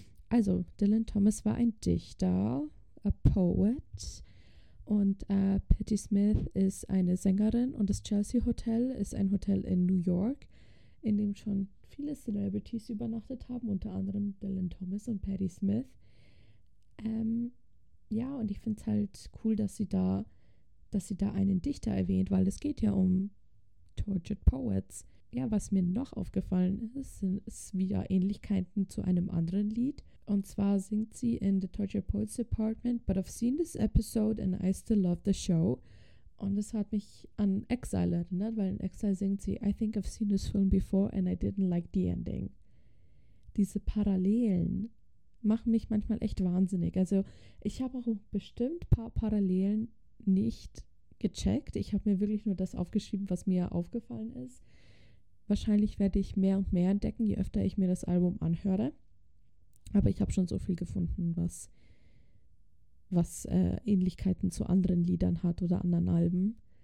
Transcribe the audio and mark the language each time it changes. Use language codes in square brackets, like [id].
[de] Also, Dylan Thomas war ein Dichter, [en] a poet, [de] und Patti Smith ist eine Sängerin, und das Chelsea Hotel ist ein Hotel in New York, in dem schon viele Celebrities übernachtet haben, unter anderem Dylan Thomas und Patti Smith. Ja, und ich finde es halt cool, dass sie da einen Dichter erwähnt, weil es geht ja um Tortured Poets. Ja, was mir noch aufgefallen ist, sind wieder Ähnlichkeiten zu einem anderen Lied. Und zwar singt sie in [en] The Tortured Poets Department: But I've seen this episode and I still love the show. [de] Und das hat mich an Exile erinnert, weil in Exile singt sie: [en] I think I've seen this film before and I didn't like the ending. [de] Diese Parallelen machen mich manchmal echt wahnsinnig. Also, ich habe auch bestimmt ein paar Parallelen nicht gecheckt. Ich habe mir wirklich nur das aufgeschrieben, was mir aufgefallen ist. Wahrscheinlich werde ich mehr und mehr entdecken, je öfter ich mir das Album anhöre. Aber ich habe schon so viel gefunden, was Ähnlichkeiten zu anderen Liedern hat oder anderen Alben.